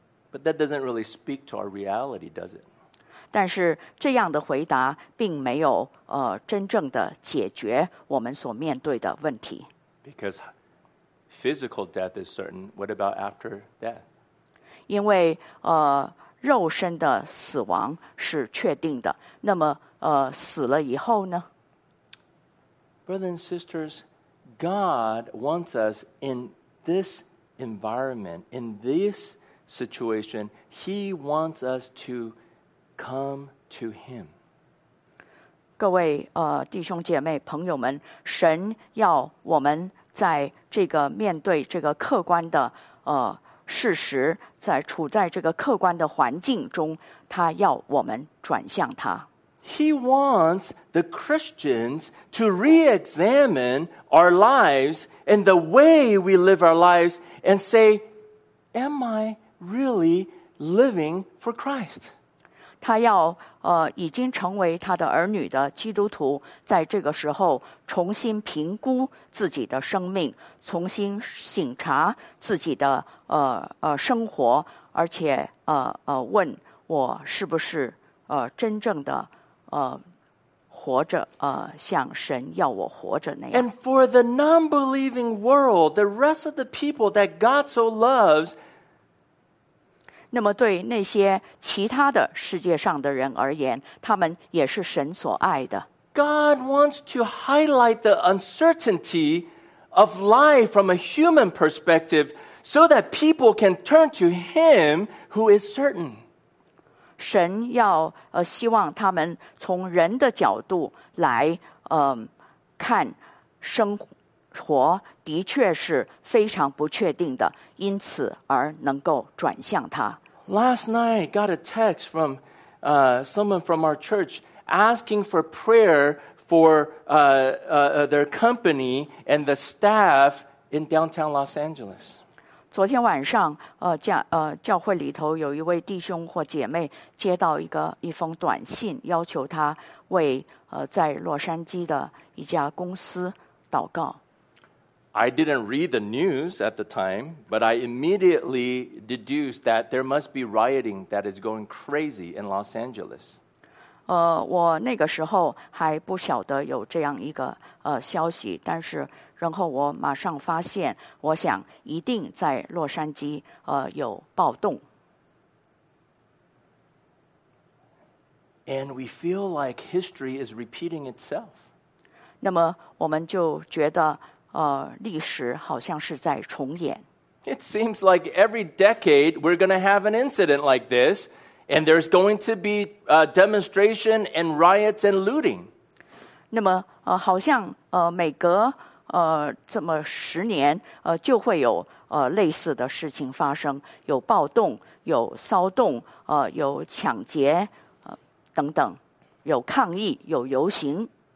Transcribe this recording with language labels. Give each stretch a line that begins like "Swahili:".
English: But that doesn't really speak to our reality, does it?
Chinese: 但是这样的回答并没有真正的解决我们所面对的问题。
English: Because physical death is certain, what about after death?
Chinese: 因为肉身的死亡是确定的，那么死了以后呢？
English: Brothers and sisters, God wants us in this environment, in this situation, He wants us to come to Him.
Chinese: 各位弟兄姐妹朋友们，神要我们在这个面对这个客观的事实，在处在这个客观的环境中，他要我们转向他。
English: He wants the Christians to re-examine our lives and the way we live our lives and say, Am I really living for Christ?
Chinese: 他要已经成为他的儿女的基督徒，在这个时候重新评估自己的生命，重新省察自己的生活，而且问我是不是真正的活着像神要我活着那样。
English: And for the non-believing world, the rest of the people that God so loves,
Chinese: 那么对那些其他的世界上的人而言，他们也是神所爱的。
English: God wants to highlight the uncertainty of life from a human perspective so that people can turn to Him who is certain.
Chinese: 神要希望他们从人的角度来看生活的确是非常不确定的，因此而能够转向他。
English: Last night, got a text from someone from our church asking for prayer for their company and the staff in downtown Los Angeles.
Chinese: 昨天晚上，教会里头有一位弟兄或姐妹接到一封短信，要求他为在洛杉矶的一家公司祷告。
English: I didn't read the news at the time, but I immediately deduced that there must be rioting that is going crazy in Los Angeles.
Chinese: 我那个时候还不晓得有这样一个消息，但是然后我马上发现，我想一定在洛杉矶有暴动。
English: And we feel like history is repeating itself.
Chinese: 那么我们就觉得历史好像是在重演。
English: It seems like every decade we're going to have an incident like this, and there's going to be demonstration and riots and looting.
Chinese: 那么好像每隔这么十年就会有类似的事情发生，有暴动，有骚动，有抢劫等等，有抗议，有游行。